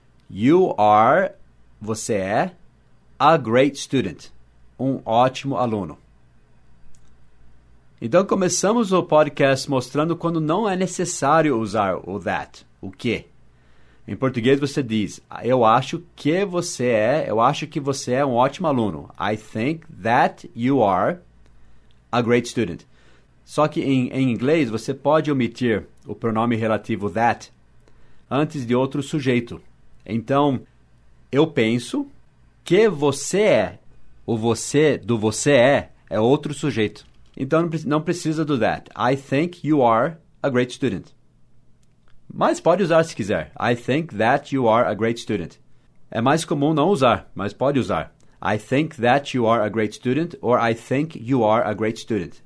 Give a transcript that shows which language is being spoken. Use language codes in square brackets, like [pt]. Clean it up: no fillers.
[en] You are, [pt] você é, [en] a great student. [pt] Um ótimo aluno. Então, começamos o podcast mostrando quando não é necessário usar o that, o que. Em português, você diz, eu acho que você é, eu acho que você é um ótimo aluno. [en] I think that you are a great student. [pt] Só que em inglês, você pode omitir o pronome relativo that antes de outro sujeito. Então, eu penso que você é. O você do você é outro sujeito. Então, não precisa do that. [en] I think you are a great student. [pt] Mas pode usar se quiser. [en] I think that you are a great student. [pt] É mais comum não usar, mas pode usar. [en] I think that you are a great student or I think you are a great student.